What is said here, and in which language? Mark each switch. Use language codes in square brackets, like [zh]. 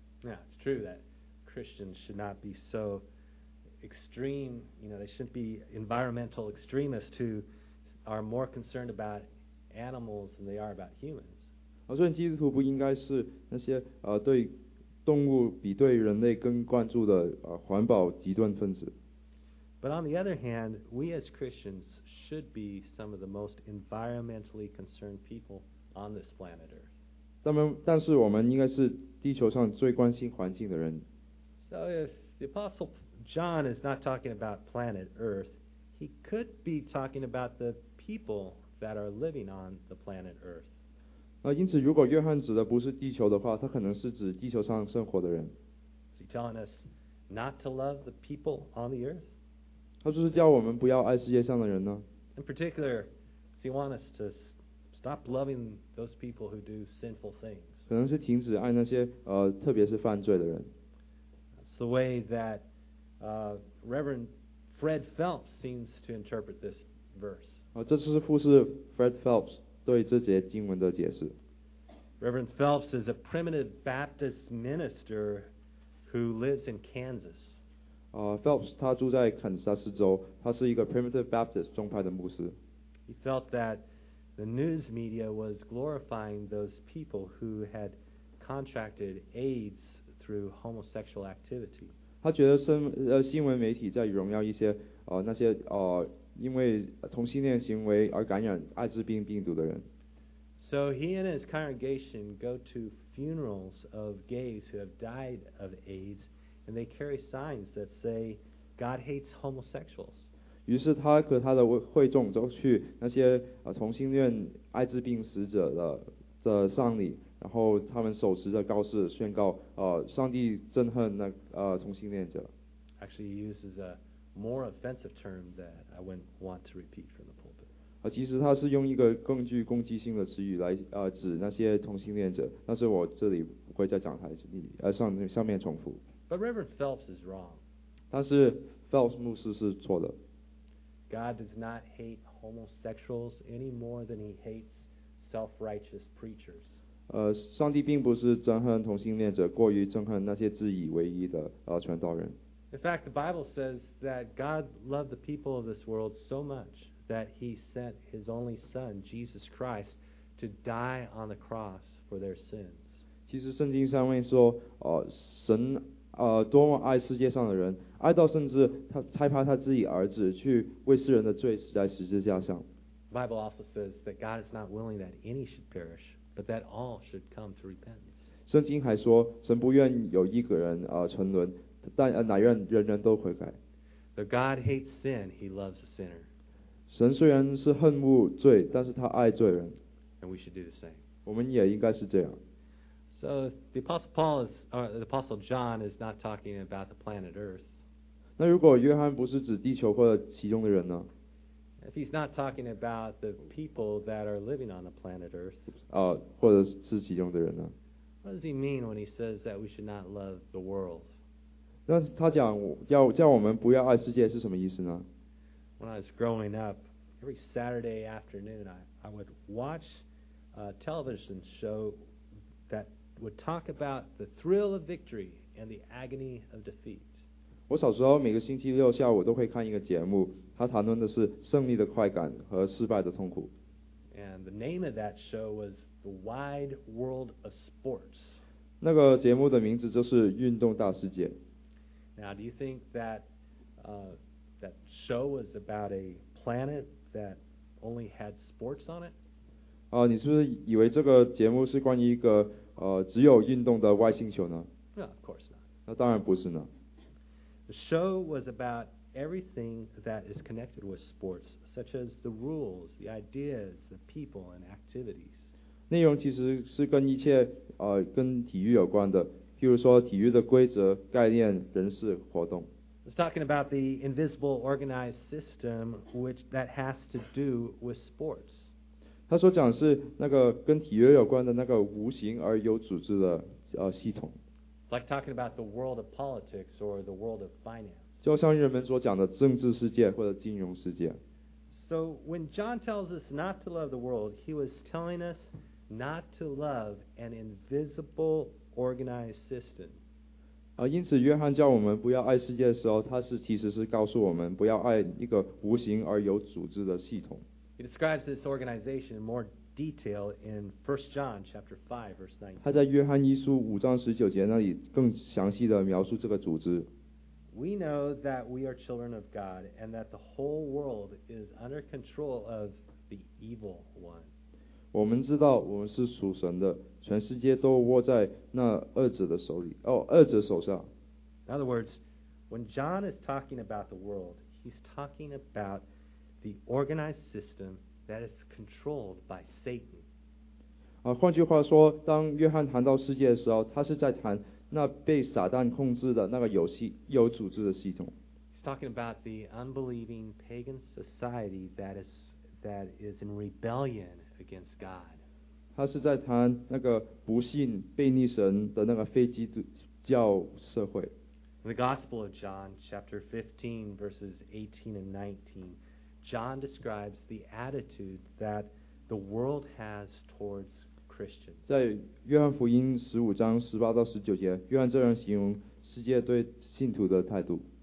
[en] Yeah, it's true that Christians should not be so extreme. You know, they shouldn't be environmental extremists who are more concerned about animals than they are about humans. [zh] 所以基督徒不应该是那些对动物比对人类更关注的环保极端分子。 [en] But on the other hand, we as Christians should be some of the most environmentally concerned people on this planet Earth. [zh] 但是我们应该是地球上最关心环境的人。 [en] So if the Apostle John is not talking about planet Earth, he could be talking about the people that are living on the planet Earth. [zh] 因此如果约翰指的不是地球的话，他可能是指地球上生活的人。 [en] Is he telling us not to love the people on the Earth? [zh] 他就是叫我们不要爱世界上的人呢。 [en] In particular, he wants us to stop loving those people who do sinful things. [zh] 可能是停止爱那些特别是犯罪的人。 [en] That's the way that Reverend Fred Phelps seems to interpret this verse. [zh] 这就是富士 Fred Phelps 对这节经文的解释。 [en] Reverend Phelps is a primitive Baptist minister who lives in Kansas. [zh] Phelps 他住在肯萨斯州，他是一个 Primitive Baptist 宗派的牧师。 [en] He felt that the news media was glorifying those people who had contracted AIDS through homosexual activity. [zh] 他觉得新闻媒体在荣耀一些那些因为同性恋行为而感染艾滋病病毒的人。 [en] So he and his congregation go to funerals of gays who have died of AIDS. And they carry signs that say, "God hates homosexuals." [zh] 于是他和他的会众都去那些同性恋艾滋病死者的丧礼，然后他们手持着告示宣告，上帝憎恨那同性恋者。 [en] Actually, he uses a more offensive term that I wouldn't want to repeat from the pulpit. [zh] 其实他是用一个更具攻击性的词语来指那些同性恋者，但是我这里不会在讲台上面重复。 [en] But Reverend Phelps is wrong. [zh] 但是 Phelps 牧师是错的。 [en] God does not hate homosexuals any more than he hates self-righteous preachers. [zh] 上帝并不是憎恨同性恋者过于憎恨那些自以为意的传道人。 [en] In fact, the Bible says that God loved the people of this world so much that he sent his only son, Jesus Christ, to die on the cross for their sins. [zh] 其实圣经上面说，神多么爱世界上的人，爱到甚至他差派他自己儿子去为世人的罪死在十字架上。 [en] The Bible also says that God is not willing that any should perish, but that all should come to repentance. [zh] 圣经还说，神不愿有一个人沉沦，但乃愿人人都悔改。 [en] Though God hates sin, He loves the sinner. [zh] 神虽然是恨恶罪，但是他爱罪人。 [en] And we should do the same. [zh] 我们也应该是这样。 [en] So the Apostle Paul is, or the Apostle John is not talking about the planet Earth. [zh] 那如果约翰不是指地球或者其中的人呢？ [en] If he's not talking about the people that are living on the planet Earth. [zh] 或者是其中的人呢？ [en] What does he mean when he says that we should not love the world? [zh] 那他讲叫我们不要爱世界是什么意思呢？ [en] When I was growing up, every Saturday afternoon, I would watch a television show that would talk about the thrill of victory and the agony of defeat. [zh] 我小时候每个星期六下午都会看一个节目，它谈论的是胜利的快感和失败的痛苦。 [en] And the name of that show was The Wide World of Sports. [zh] 那个节目的名字就是《运动大世界》。 [en] Now, do you think that, that show was about a planet that only had sports on it? [zh] 你是不是以为这个节目是关于一个只有运动的外星球呢？ [en] No, of course not. [zh] 那当然不是呢。 [en] The show was about everything that is connected with sports, such as the rules, the ideas, the people, and activities. [zh] 内容其实是跟一切跟体育有关的，譬如说体育的规则、概念、人事、活动。 [en] It's talking about the invisible organized system which that has to do with sports. [zh] 他所讲是那个跟体育有关的那个无形而有组织的系统。 [en] It's like talking about the world of politics or the world of finance. [zh] 就像人们所讲的政治世界或者金融世界。 [en] So when John tells us not to love the world, he was telling us not to love an invisible organized system. [zh] 因此约翰叫我们不要爱世界的时候，他是其实是告诉我们不要爱一个无形而有组织的系统。 [en] He describes this organization in more detail in 1 John chapter 5 verse 19. [zh] 他在约翰一书五章十九节那里更详细的描述这个组织。 [en] We know that we are children of God and that the whole world is under control of the evil one. [zh] 我们知道我们是属神的，全世界都握在那恶者的手里，恶者手上。 [en] In other words, when John is talking about the world, he's talking about the organized system that is controlled by Satan. [zh] 换句话说，当约翰谈到世界的时候，他是在谈那被撒旦控制的那个有组织的系统。 [en] He's talking about the unbelieving pagan society that is in rebellion against God. [zh] 他是在谈那个不信悖逆神的那个非基督教社会。 [en] In the Gospel of John, chapter 15, verses 18 and 19, John describes the attitude that the world has towards God. [zh] 在约翰福音十五章十八到十九节，约翰这样形容世界对信徒的态度。